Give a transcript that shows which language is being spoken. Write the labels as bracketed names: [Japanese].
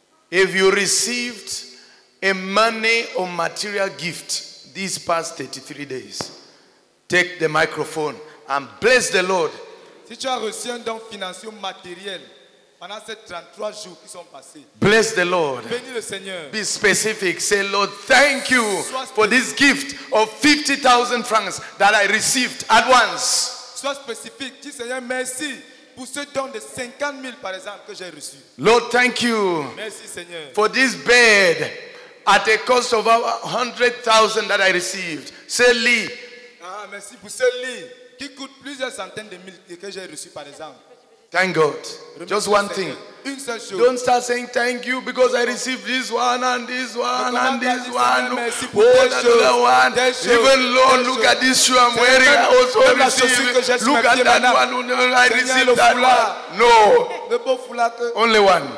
[English] If you received a money or material gift these past 33 days, take the microphone and bless the Lord. [French] Si tu as reçu un don financier matériel pendant ces 33 jours qui sont passés, [English] bless the Lord. [French] Bénis le Seigneur. [English] Be specific. Say, Lord, thank you for this gift of 50,000 francs that I received at once. [French] Sois spécifique. Dis, Seigneur, merci pour ce don de 50 000, par exemple, que j'ai reçu. [English] Lord, thank you. [French] Merci, Seigneur. [English] For this bed at a cost of over 100,000 that I received. Say, Lee. [French] Ah, merci pour ce lit qui coûte plusieurs centaines de milliers que j'ai reçu par exemple. [English] Thank God. Just one thing. [French] Une seule chose. [English] Don't start saying thank you because I received this one and this one and this one. [French] Merci pour ce chose. Another [English] one. Even Lord, look at this shoe I'm wearing. I also received. Look at that one. I received that one. No. Only one.